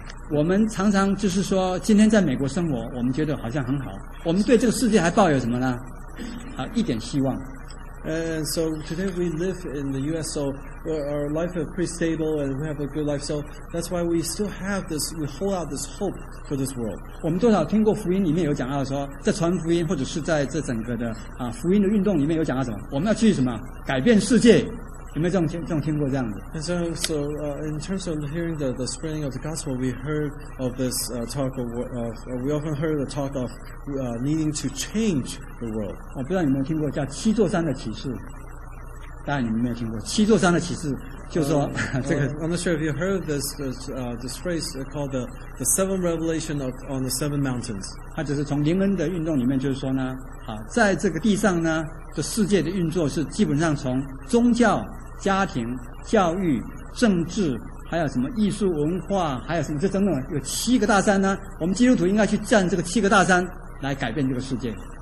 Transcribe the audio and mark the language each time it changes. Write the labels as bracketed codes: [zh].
[zh] 我们常常就是说，今天在美国生活，我们觉得好像很好，我们对这个世界还抱有什么呢？好，一点希望。 [en] And so today we live in the U.S., so our life is pretty stable and we have a good life. So that's why we still have this, we hold out this hope for this world. [zh] 我们多少听过福音里面有讲到说，在传福音或者是在这整个的福音的运动里面有讲到什么？我们要去什么？改变世界。有没有这种听过这样子？ [en] And so in terms of hearing the spreading of the gospel, we heard of this talk of we often heard the talk of needing to change the world. [zh] 我不知道你们有没有听过叫七座山的启示？当然你们没有听过七座山的启示，就是说这个。 [en] I'm not sure if you heard this phrase called the seven revelation of on the seven mountains. [zh] 它只是从灵恩的运动里面，就是说呢，在这个地上呢的世界的运作是基本上从宗教、家庭、教育、政治，还有什么艺术文化，还有什么这等等，有七个大山呢。我们基督徒应该去占这个七个大山来改变这个世界。